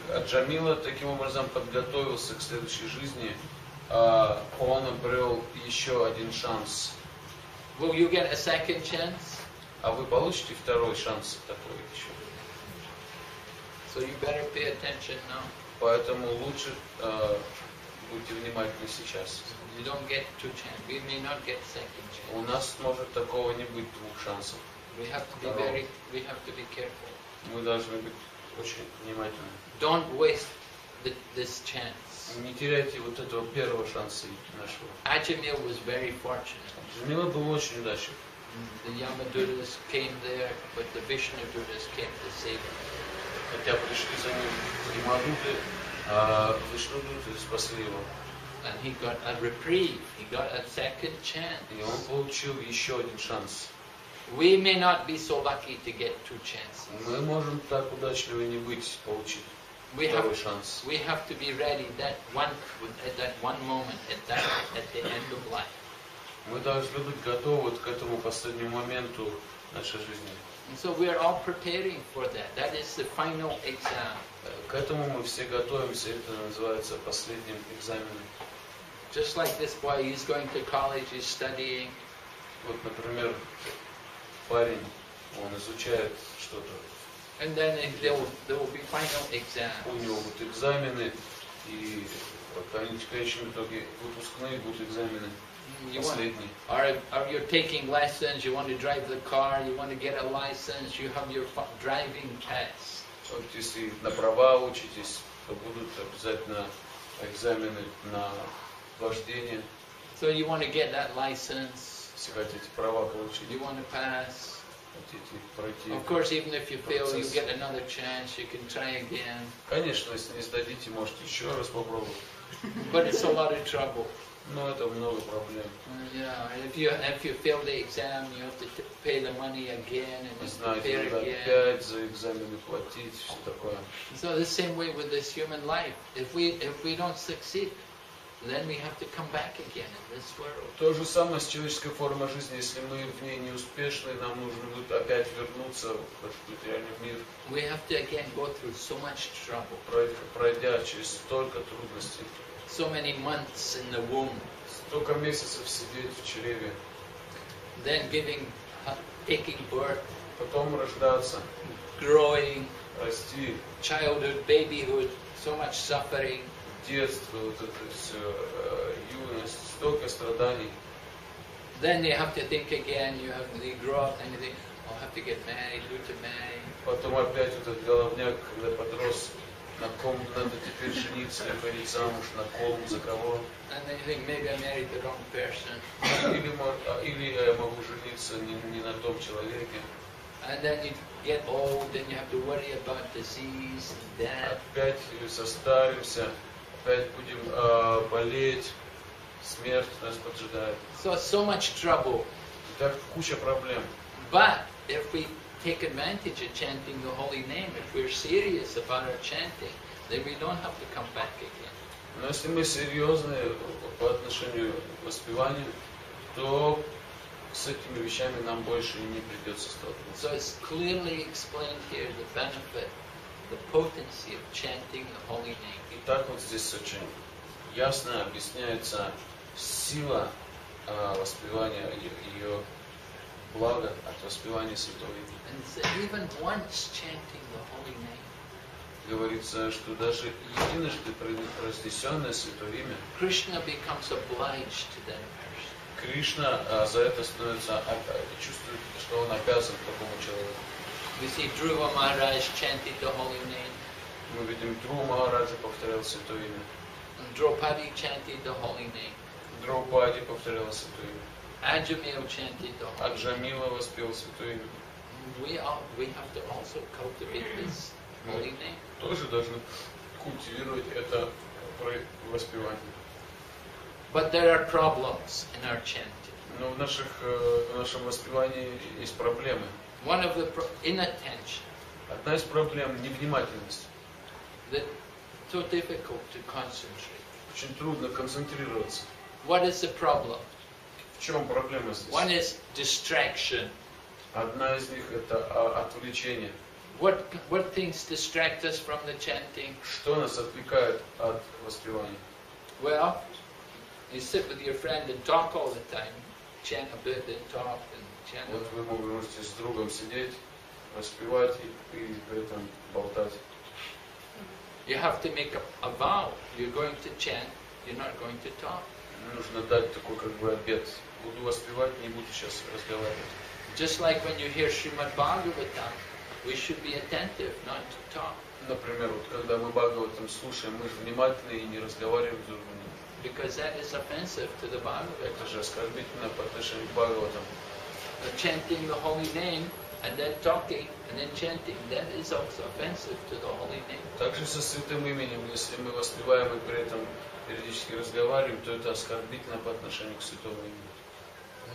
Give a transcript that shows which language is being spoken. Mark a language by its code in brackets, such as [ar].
[ru] Аджамила таким образом подготовился к следующей жизни. Он обрел еще один шанс. [en] Will you get a second chance? [ru] А вы получите второй шанс такой еще. [en] So you better pay attention now. [ru] Поэтому лучше будьте внимательны сейчас. [en] You don't get two chances. We may not get second chance. [ru] У нас может такого не быть двух шансов. [en] We have to be very, we have to be careful. [ru] Мы должны быть очень внимательны. [en] Don't waste this chance. [ru] Не теряйте вот этого первого шанса нашего. [en] Аджамил was very fortunate. [ru] Аджамил был очень удачлив. [en] The Yamadutas came there, but the Vishnudutas came to save him. [ru] Хотя пришли за ним Ямадуты, а Вишнудуты спасли его. [en] And he got a reprieve, he got a second chance. [ru] И он получил еще один шанс. [en] We may not be so lucky to get two chances. [ru] Мы можем так удачливы не быть, получить второй шанс. [en] We have to be ready that one, at that one moment, at the end of life. [ru] Мы должны быть готовы к этому последнему моменту нашей жизни. [en] And so we are all preparing for that. That is the final exam. [ru] К этому мы все готовимся. Это называется последним экзаменом. [en] Just like this boy, he's going to college, he's studying. [ru] Вот, например, парень, он изучает что-то. [en] And then there will be final exam. [ru] У него будут экзамены, и в конечном итоге выпускные будут экзамены. [en] Are you taking lessons? You want to drive the car? You want to get a license? You have your driving test. [ru] Вот если на права учитесь, то будут обязательно экзамены на вождение. [en] So you want to get that license? [ru] Если хотите права получить. [en] You want to pass? [ru] Хотите пройти. [en] Of course, even if you fail, you get another chance. You can try again. [ru] Конечно, если не сдадите, можете еще раз попробовать. [en] But it's a lot of trouble. [ru] Ну, это много проблем. [en] Yeah, if you fail the exam, you have to pay the money again and prepare again. [ru] Знаете, надо опять за экзамены платить, все такое. [en] So the same way with this human life. If we don't succeed, then we have to come back again in this world. [ru] То же самое с человеческой формой жизни. Если мы в ней не успешны, нам нужно будет опять вернуться в этот реальный мир. [en] We have to again go through so much trouble. [ru] Пройдя через столько трудностей. [en] So many months in the womb. [ru] Столько месяцев сидеть в чреве. [en] Then giving, taking birth. [ru] Потом рождаться. [en] Growing. [ru] Расти. [en] Childhood, babyhood, so much suffering. [ru] Детство, вот это все, юность, столько страданий. [en] Then you have to think again, you have to grow up and you think, I'll have to get married, who to marry. [ru] Потом опять вот этот головняк, когда подрос, на ком надо теперь жениться, выходить замуж, на ком, за кого. [en] And then you think, maybe I married the wrong person. [ru] Или я могу жениться не на том человеке. [en] And then you get old and you have to worry about disease and death. [ru] Опять состаримся. Опять будем болеть, смерть нас поджидает. [en] So much trouble. [ru] И так куча проблем. [en] But if we take advantage of chanting the holy name, if we're serious about our chanting, then we don't have to come back again. [ru] Но если мы серьезны по отношению к воспеванию, то с этими вещами нам больше не придется столкнуться. [en] So it's clearly explained here the benefit. The potency of chanting the holy name. [ru] И так вот здесь очень ясно объясняется сила воспевания ее блага от воспевания святого имени. [en] And so even once chanting the holy name. [ru] Говорится, что даже единожды произнесенное святое имя. [en] Krishna becomes obliged to that person. [ru] Кришна за это становится чувствует, что он обязан такому человеку. [en] We see Dhruva Maharaj chanted the holy name. [ru] Мы видим Dhruva Maharaja повторял святое имя. [en] And Draupadi chanted the holy name. [ru] Draupadi повторял святое имя. [en] Ajamil chanted the holy name. [ru] Аджамила воспел святое имя. [en] We have to also cultivate this holy name. [ru] Тоже должны культивировать это воспевание. [en] But there are problems in our chanting. [ru] Но в нашем воспевании есть проблемы. [en] One of the inattention. [ru] Одна из проблем невнимательность. [en] That's too difficult to concentrate. [ru] Очень трудно концентрироваться. [en] What is the problem? [ru] В чем проблема здесь? [en] One is distraction. [ru] Одна из них это отвлечение. [en] What things distract us from the chanting? [ru] Что нас отвлекает от воспевания? [en] Well, you sit with your friend and talk all the time, chant a bit and talk. [ru] Вот вы можете с другом сидеть, распевать и при этом болтать. [en] You have to make a vow. You're going to chant, you're not going to talk. [ru] Нужно дать такой как бы обет. Буду воспевать, не буду сейчас разговаривать. [en] Just like when you hear Srimad Bhagavatam, we should be attentive, not to talk. [ru] Например, вот когда мы Бхагаватам слушаем, мы же внимательны и не разговариваем с другом. [en] Because that is offensive to the Bhagavatam. [ru] Это же оскорбительно по отношению к Бхагаватам. [en] Chanting the holy name and then talking and then chanting, that is also offensive to the holy name. [ru] Также со святым именем, если мы воспеваем и при этом периодически разговариваем, то это оскорбительно по отношению к святому имени.